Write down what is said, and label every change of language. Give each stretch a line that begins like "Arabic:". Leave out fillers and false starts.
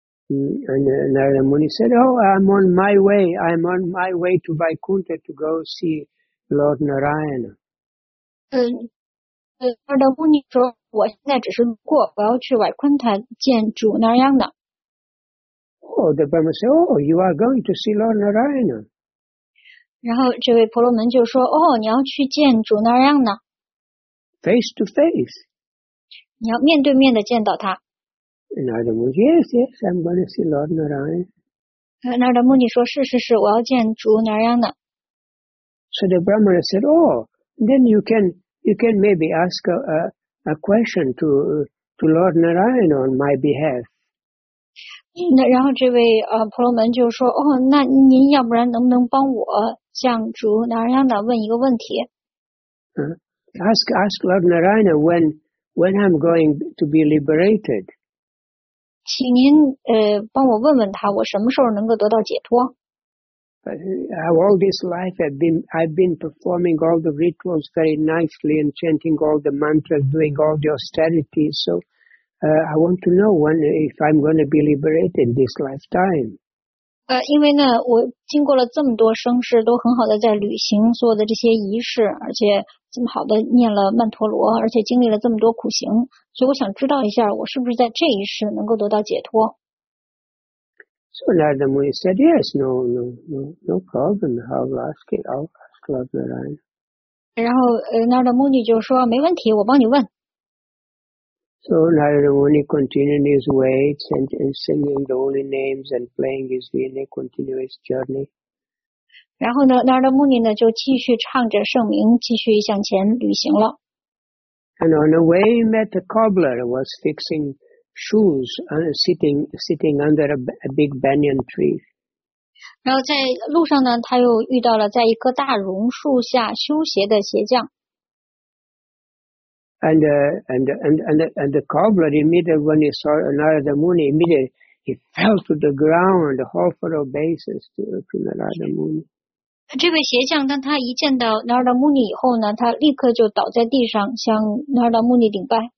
English: Narada Muni said, I'm on my way to Vaikuntha to go see Lord Narayana.
Chinese: 那的牧尼说我现在只是路过我要去瓦昆塔见主那样的。
English: Oh, the Brahma said, oh, you are going to see Lord Narayana.
Chinese: 然后这位婆罗门就说哦你要去见主那样的。
English: Face to face.
Chinese: 你要面对面的见到他。
English: 那的牧尼 yes, I'm going to see Lord Narayana.
Chinese: 那的牧尼说是我要见主那样的。
English: So the Brahma said, oh, then you can maybe ask a question to Lord Narayana on my behalf.
Chinese: 那然后这位婆罗门就说哦那您要不然能不能帮我向主 Narayana 问一个问题。
English: Ask Lord Narayana when I'm going to be liberated.
Chinese: 请您帮我问问他我什么时候能够得到解脱。
English: All this life I've been performing all the rituals very nicely and chanting all the mantras, doing all the austerities. So, I want to know when, if I'm going to be liberated this lifetime.
Chinese: 因为呢，我经过了这么多生世，都很好的在履行所有的这些仪式，而且这么好的念了曼陀罗，而且经历了这么多苦行，所以我想知道一下，我是不是在这一世能够得到解脱。
English: So Narada Muni said, yes, no problem, I'll ask Lord Narayana.
Chinese: 然后Narada Muni就说没问题我帮你问。
English: So Narada Muni continued his way, singing the holy names and playing his vina, continued his journey.
Chinese: 然后呢Narada Muni呢就继续唱着圣名继续向前旅行了。
English: And on the way he met a cobbler who was fixing shoes sitting under a big banyan tree.
Chinese: 然后在路上呢他又遇到了在一棵大榕树下修鞋的鞋匠。
English: And the cobbler immediately when he saw Narada Muni, immediately he fell to the ground, the whole for obeisance to Narada Muni.
Chinese: 这位鞋匠当他一见到 Narada Muni 以后呢他立刻就倒在地上向 Narada Muni 顶拜。